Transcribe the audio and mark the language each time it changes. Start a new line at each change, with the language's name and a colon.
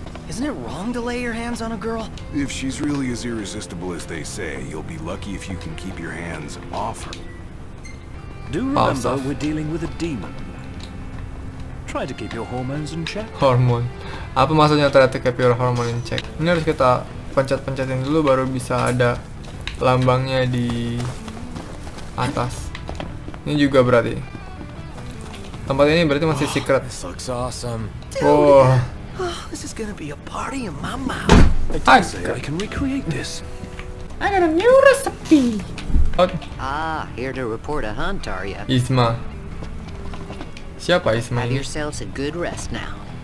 English: Isn't it wrong to lay your hands on a girl? If she's really as irresistible as they say, you'll be lucky if you can keep your hands off her. Do remember, we're dealing with a demon. Try to keep your hormones in check. Hormone.
Indonesian: Apa maksudnya
English: try to keep your hormone in check?
Indonesian: Ini harus kita pencet-pencetin dulu baru bisa ada lambangnya di atas. Ini juga berarti. Tempat ini berarti masih secret.
English: This looks awesome. Oh. Oh, this is gonna be a party in my mouth. I can recreate this. I got a new recipe. Okay. Ah, here to report a hunt, are ya?
Indonesian: Isma. Siapa Isma?
English: Have yourselves a good rest now.